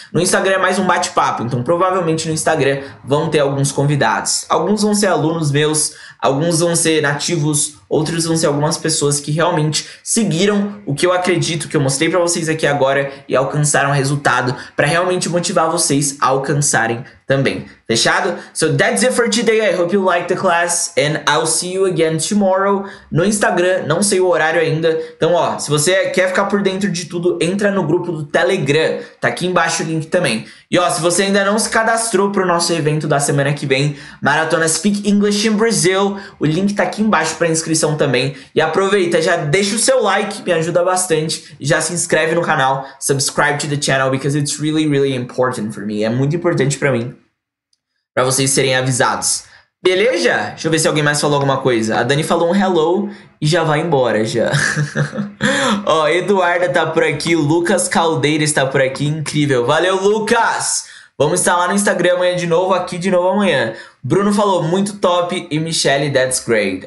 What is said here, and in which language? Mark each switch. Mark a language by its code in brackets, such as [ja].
[pt] No Instagram é mais um bate-papo. Então, provavelmente no Instagram vão ter alguns convidados. Alguns vão ser alunos meus, alguns vão ser nativos, outros vão ser algumas pessoas que realmente seguiram o que eu acredito, que eu mostrei pra vocês aqui agora e alcançaram resultado pra realmente motivar vocês a alcançarem também. [en] Fechado? So that's it for today. I hope you liked the class and I'll see you again tomorrow [pt] no Instagram. Não sei o horário ainda. Então, ó, se você quer ficar por dentro de tudo, entra no grupo do Telegram. Tá aqui embaixo o link também. E ó, se você ainda não se cadastrou pro nosso evento da semana que vem, Maratona Speak English in Brazil, o link tá aqui embaixo pra inscrição também. E aproveita, já deixa o seu like, me ajuda bastante. Já se inscreve no canal. [en] Subscribe to the channel because it's really, really important for me. [pt] É muito importante pra mim. Pra vocês serem avisados. Beleza? Deixa eu ver se alguém mais falou alguma coisa. A Dani falou um hello e já vai embora já. Ó, Eduarda tá por aqui. Lucas Caldeira está por aqui. Incrível. Valeu, Lucas! Vamos estar lá no Instagram amanhã de novo. Aqui de novo amanhã. Bruno falou muito top. E Michelle, [en] that's great.